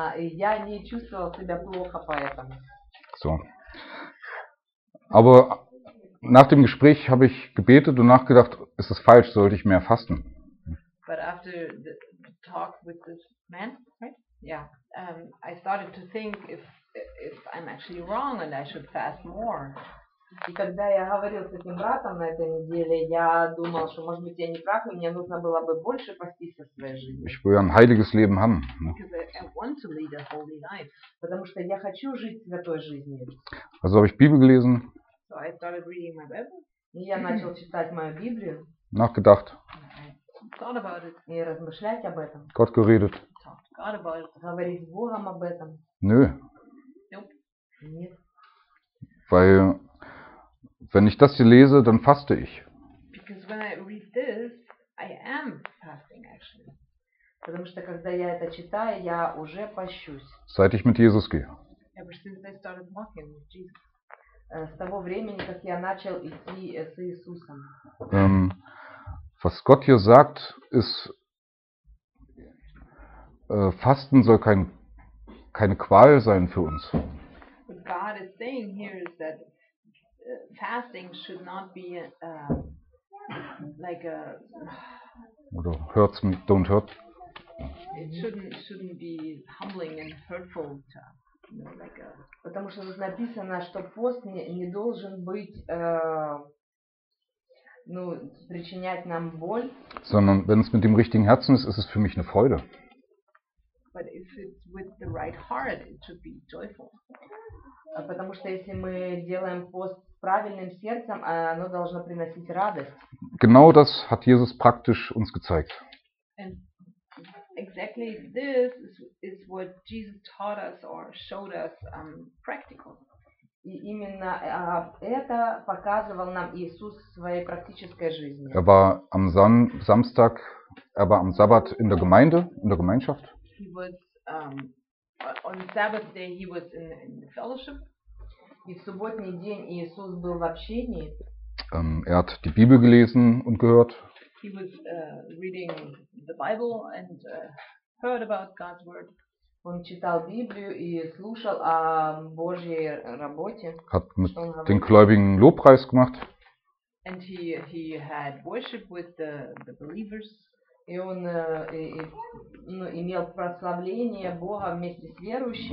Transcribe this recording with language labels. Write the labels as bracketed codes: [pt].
[ru] Я не чувствовал себя плохо поэтому. [de] So. Aber nach dem Gespräch habe ich gebetet und nachgedacht, ist es falsch, sollte ich mehr fasten? [en] But after the talk with this man, right? Yeah. I started to think if I'm actually wrong and I should fast more. [ru] И когда я говорил с этим братом на этой неделе, я думал, что, может быть, я не прав, и мне нужно было бы больше поститься в своей жизни. [de] Ich will ein heiliges Leben haben, ne? [en] Because I want to lead a holy life. [ru] Потому что я хочу жить святой жизнью. [de] Also habe ich Bibel gelesen. [en] So I started reading my Bible. [ru] И я начал читать мою Библию. [de] Nachgedacht. [en] Thought about it. [ru] И размышлять об этом. [de] Gott geredet. [en] Talked about it. [ru] Говорить с Богом об этом. [de] Nö. [en] Nope. [ru] Нет. [de] Weil wenn ich das hier lese, dann faste ich. [en] Because when I read this, I am fasting actually. [ru] Потому что когда я это читаю, я уже пощусь. [de] Seit ich mit Jesus gehe. [en] Ever since I started walking with Jesus. [ru] С того времени, как я начал идти с Иисусом. [de] Was Gott hier sagt, ist, Fasten soll keine Qual sein für uns. [en] What God is saying here is that fasting should not be like a. Oder hurts me, don't hurt. It shouldn't be humbling and hurtful to us. [ru] Потому что тут написано, что пост не должен быть, ну, причинять нам боль. [de] Sondern wenn es mit dem richtigen Herzen ist, ist es für mich eine Freude. [en] But if it's with the right heart, it should be joyful. [ru] Потому что если мы делаем пост с правильным сердцем, оно должно приносить радость. [de] Genau das hat Jesus praktisch uns gezeigt. [en] And exactly this is what Jesus taught us or showed us practical. [ru] И именно это показывал нам Иисус в своей практической жизни. [de] Er war am Samstag, er war am Sabbat in der Gemeinde, in der Gemeinschaft. [en] He was on Sabbath day he was in the fellowship. [ru] И в субботний день Иисус был в общении. [de] Er hat die Bibel gelesen und gehört. [en] He was reading the Bible and heard about God's word. [ru] Он читал Библию и слушал о Божьей работе. [de] Hat mit den Gläubigen Lobpreis gemacht. [en] And he had worship with the believers. [ru] И он имел прославление Бога вместе с верующими.